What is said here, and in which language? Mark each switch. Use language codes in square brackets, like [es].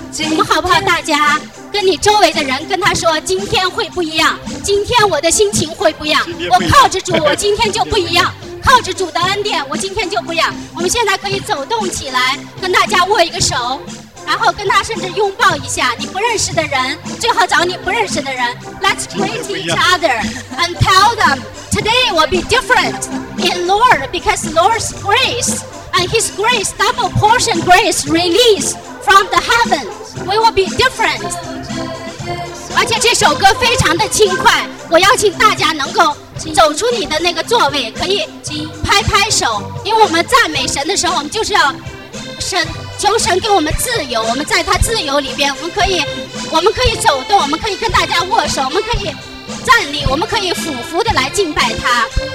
[zh] 我们好不好，大家跟你周围的人跟他说，今天会不一样，今天我的心情会不一样，我靠着主我今天就不一样，靠着主的恩典我今天就不一样。我们现在可以走动起来，跟大家握一个手，然后跟他甚至拥抱一下，你不认识的人最好找你不认识的人。 [en] Let's greet each other and tell them today will be different in Lord, because Lord's grace and His grace, double portion grace released from the heaven, we will be different. [zh] 而且这首歌非常的轻快，我邀请大家能够走出你的那个座位，可以拍拍手，因为我们赞美神的时候，我们就是要神求神给我们自由，我们在他自由里边，我们可以走动，我们可以跟大家握手，我们可以站立，我们可以俯伏的来敬拜他。